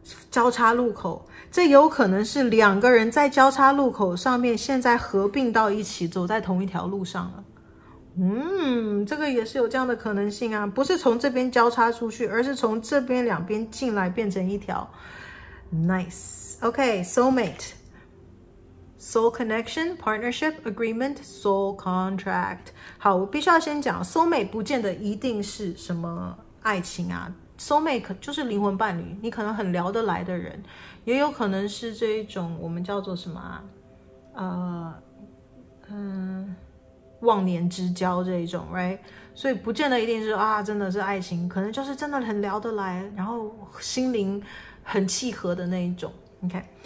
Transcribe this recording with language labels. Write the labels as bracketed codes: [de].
[zh] 交叉路口，这有可能是两个人在交叉路口上面现在合并到一起走在同一条路上了，这个也是有这样的可能性啊，不是从这边交叉出去，而是从这边两边进来变成一条。 [en] Nice. OK, soulmate. Soul connection, partnership, agreement, soul contract. [zh] 好，我必须要先讲 soulmate 不见得一定是什么爱情啊， soulmate 就是灵魂伴侣，你可能很聊得来的人，也有可能是这一种我们叫做什么啊，忘年之交这一种 right， 所以不见得一定是啊，真的是爱情，可能就是真的很聊得来，然后心灵很契合的那一种 OK，